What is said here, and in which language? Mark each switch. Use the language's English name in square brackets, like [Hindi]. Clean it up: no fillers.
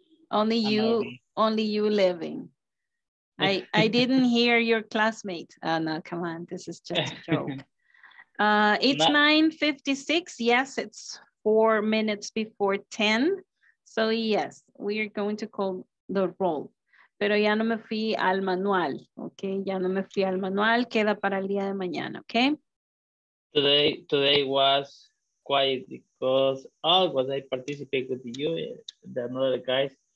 [English] Only you living. I didn't hear your classmate. Oh no, come on, this is just a joke. It's 9:56. Yes, it's 4 minutes before 10. So yes, we are going to call the roll. [Spanish] Pero ya no me fui al manual, ¿ok? Ya no me fui al manual, queda para el día de mañana, ¿ok? [English] Today was quiet because I participated with you, the other guys.